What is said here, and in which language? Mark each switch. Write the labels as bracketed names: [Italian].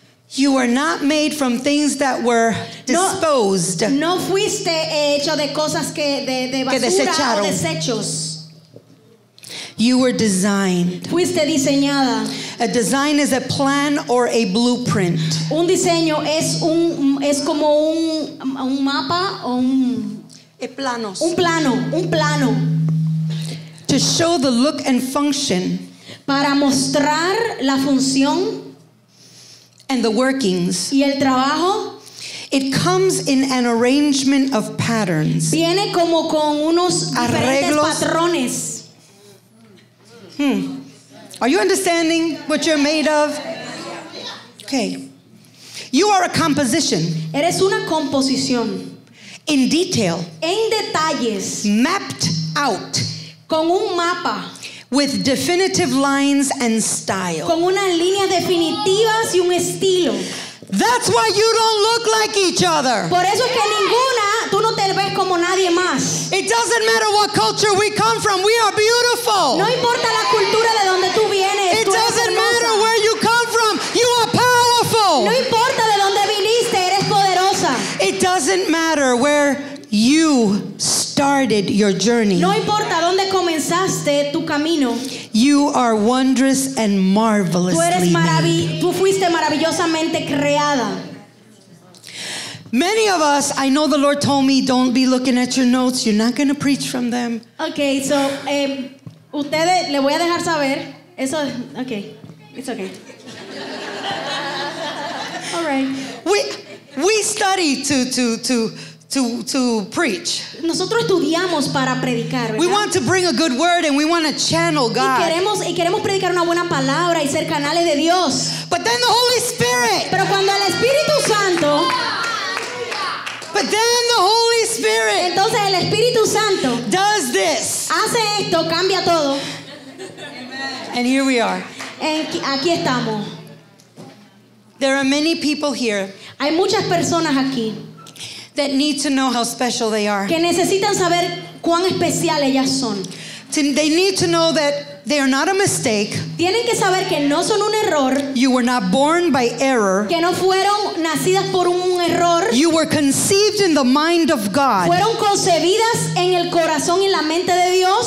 [English] You were not made from things that were disposed. [Spanish] No fuiste hecho de cosas que de basura o desechos. [English] You were designed. [Spanish] Fuiste diseñada. [English] A design is a plan or a blueprint. [Spanish] Un diseño es como un mapa o un planos. Un plano. [English] To show the look and function. [Spanish] Para mostrar la función. [English] And the workings. [Spanish] Y el trabajo. [English] It comes in an arrangement of patterns. [Spanish] Viene como con unos arreglos. Diferentes patrones. [English] Are you understanding what you're made of? Okay. You are a composition. [Spanish] Eres una composición. [English] In detail. [Spanish] En detalles. [English] Mapped out. [Spanish] Con un mapa. [English] With definitive lines and style. [Spanish] Con unas líneas definitivas y un estilo. [English] That's why you don't look like each other. [Spanish] Por eso es que ninguna, tú no te ves como nadie más. [English] It doesn't matter what culture we come from, we are beautiful. [Spanish] No importa la cultura de donde tú vienes, [English] it doesn't matter where you come from, you are powerful. [Spanish] No importa de donde viniste, eres poderosa. [English] It doesn't matter where you started your journey. [Spanish] No importa dónde comenzaste tu camino. [English] You are wondrous and marvelously [Spanish] made. Tú fuiste maravillosamente creada. [English] Many of us, I know the Lord told me, don't be looking at your notes. You're not going to preach from them. [Spanish] Okay, so ustedes le voy a dejar saber eso. [English] Okay, it's okay. All right. We study to preach. [Spanish] Nosotros estudiamos para predicar, ¿verdad? [English] We want to bring a good word and we want to channel God. [Spanish] Y queremos predicar una buena palabra y ser canales de Dios. [English] But then the Holy Spirit. [Spanish] Pero cuando el Espíritu Santo. [English] But then the Holy Spirit. [Spanish] Entonces el Espíritu Santo. [English] Does this. [Spanish] Hace esto, cambia todo. [English] And here we are. [Spanish] Aquí estamos. [English] There are many people here. [Spanish] Hay muchas personas aquí. [English] That need to know how special they are. [Spanish] Que necesitan saber cuán especial ellas son. [English] They need to know that they are not a mistake. [Spanish] Tienen que saber que no son un error. [English] You were not born by error. [Spanish] Que no fueron nacidas por un error. [English] You were conceived in the mind of God. [Spanish] Fueron concebidas en el corazón y la mente de Dios.